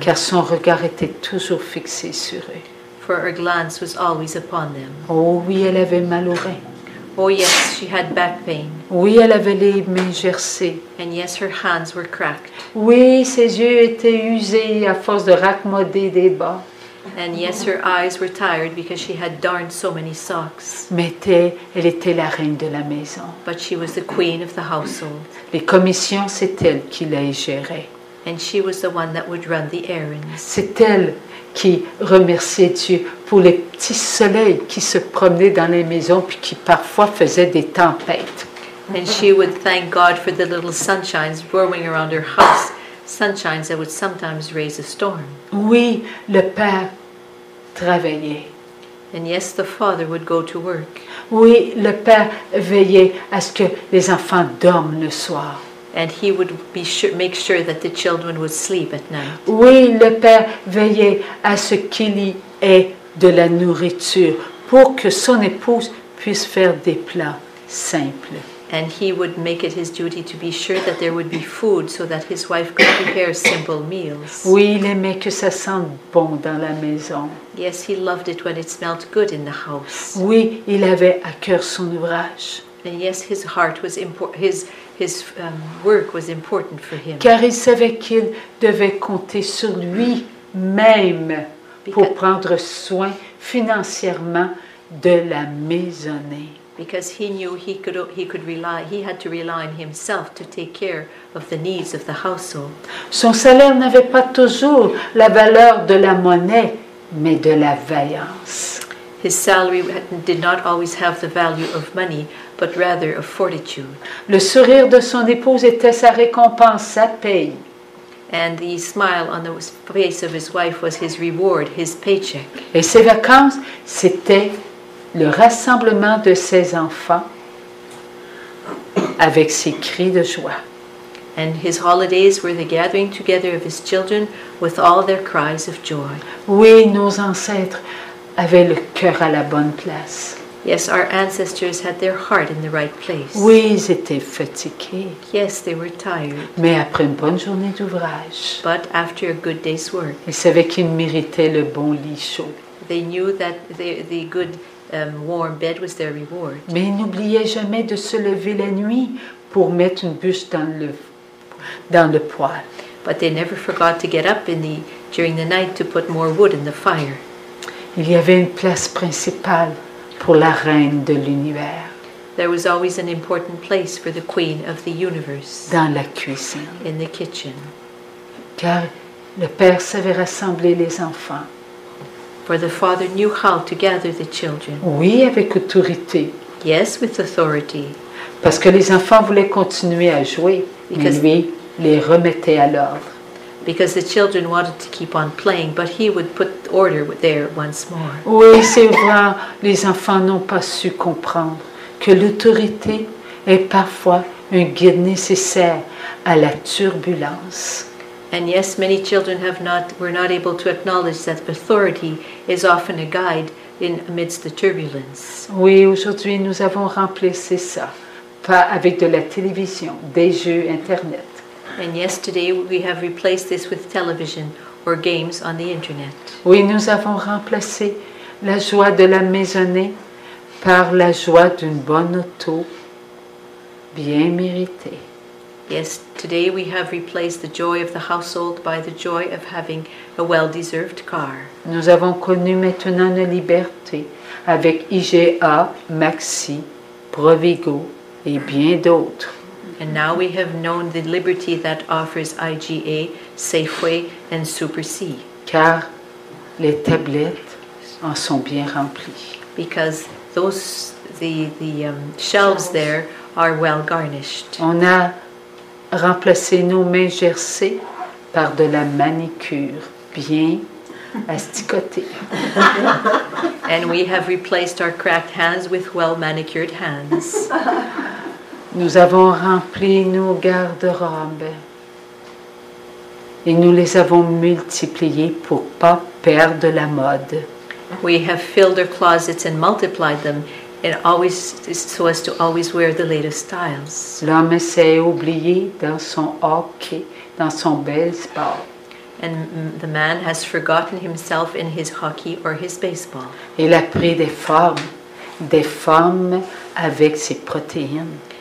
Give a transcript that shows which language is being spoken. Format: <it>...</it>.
<fr>Car son regard était toujours fixé sur eux.</fr> <en>For her glance was always upon them.</en> <fr>Oh oui, elle avait mal aux reins.</fr> <en>Oh yes, she had back pain.</en> <fr>Oui, elle avait les mains gercées.</fr> <en>And yes, her hands were cracked.</en> <fr>Oui, ses yeux étaient usés à force de raccommoder des bas.</fr> <en>And yes, her eyes were tired because she had darned so many socks.</en> <fr>Elle était la reine de la maison.</fr> <en>But she was the queen of the household.</en> <fr>Les commissions, c'est elle qui les gérait.</fr> <en>And she was the one that would run the errands.</en> <fr>C'est elle qui remerciait Dieu pour les petits soleils qui se promenaient dans les maisons puis qui parfois faisaient des tempêtes.</fr> <en>And she would thank God for the little sunshines roaming around her house. Sunshines that would sometimes raise a storm.</en> <fr>Oui, le père travaillait.</fr> <en>And yes, the father would go to work.</en> <fr>Oui, le père veillait à ce que les enfants dorment le soir.</fr> <en>And he would be sure, make sure that the children would sleep at night.</en> <fr>Oui, le père veillait à ce qu'il y ait de la nourriture pour que son épouse puisse faire des plats simples.</fr> <en>And he would make it his duty to be sure that there would be food so that his wife could prepare simple meals.</en> <fr>Oui, il aimait que ça sente bon dans la maison.</fr> <en>Yes, he loved it when it smelled good in the house.</en> <fr>Oui, il avait à cœur son ouvrage.</fr> <en>And yes, his heart was important. His work was important for him.</en> <fr>Car il savait qu'il devait compter sur lui-même pour prendre soin financièrement de la maisonnée.</fr> <en>Because he knew he had to rely on himself to take care of the needs of the household.</en> <fr>Son salaire n'avait pas toujours la valeur de la monnaie, mais de la vaillance.</fr> <en>His salary did not always have the value of money, but rather of fortitude.</en> <fr>Le sourire de son épouse était sa récompense, sa paye.</fr> <en>And the smile on the face of his wife was his reward, his paycheck.</en> <fr>Et ses vacances, c'était le rassemblement de ses enfants avec ses cris de joie.</fr> <en>And his holidays were the gathering together of his children with all their cries of joy.</en> <fr>Oui, nos ancêtres avaient le cœur à la bonne place.</fr> <en>Yes, our ancestors had their heart in the right place.</en> <fr>Oui, ils étaient fatigués.</fr> <en>Yes, they were tired.</en> <fr>Mais après une bonne journée d'ouvrage.</fr> <en>But after a good day's work.</en> <fr>Ils savaient qu'ils méritaient le bon lit chaud.</fr> <en>They knew that the good warm bed was their reward.</en> <fr>Mais ils n'oubliaient jamais de se lever la nuit pour mettre une bûche dans le poêle.</fr> <en>But they never forgot to get up during the night to put more wood in the fire.</en> <fr>Il y avait une place principale pour la reine de l'univers.</fr> <en>There was always an important place for the queen of the universe.</en> <fr>Dans la cuisine.</fr> <en>In the kitchen.</en> <fr>Car le père savait rassembler les enfants.</fr> <en>For the father knew how to gather the children.</en> <fr>Oui, avec autorité.</fr> <en>Yes, with authority.</en> <fr>Parce que les enfants voulaient continuer à jouer, mais lui les remettait à l'ordre.</fr> <en>Because the children wanted to keep on playing, but he would put order there once more.</en> <fr>Oui, c'est vrai, les enfants n'ont pas su comprendre que l'autorité est parfois un guide nécessaire à la turbulence.</fr> <en>And yes, many children were not able to acknowledge that authority is often a guide in amidst the turbulence.</en> <fr>Oui, aujourd'hui nous avons remplacé ça pas avec de la télévision, des jeux internet.</fr> <en>And yesterday we have replaced this with television or games on the internet.</en> <fr>Oui, nous avons remplacé la joie de la maisonnée par la joie d'une bonne auto bien méritée.</fr> <en>Yes, today we have replaced the joy of the household by the joy of having a well-deserved car.</en> <fr>Nous avons connu maintenant la liberté avec IGA, Maxi, Provigo et bien d'autres.</fr> <en>And now we have known the liberty that offers IGA, Safeway and Super C.</en> <fr>Car les tablettes en sont bien remplies.</fr> <en>Because the shelves there are well garnished.</en> <fr>On a remplacer nos mains gercées par de la manicure bien asticotée.</fr> <en>And we have replaced our cracked hands with well-manicured hands.</en> <fr>Nous avons rempli nos garde-robes et nous les avons multipliées pour pas perdre la mode.</fr> <en>We have filled our closets and multiplied them and always so as to always wear the latest styles.</en> <fr>L'homme s'est oublié dans son hockey, dans son baseball.</fr> <en>And the man has forgotten himself in his hockey or his baseball.</en> <fr>Il a pris des formes avec ses protéines.</fr>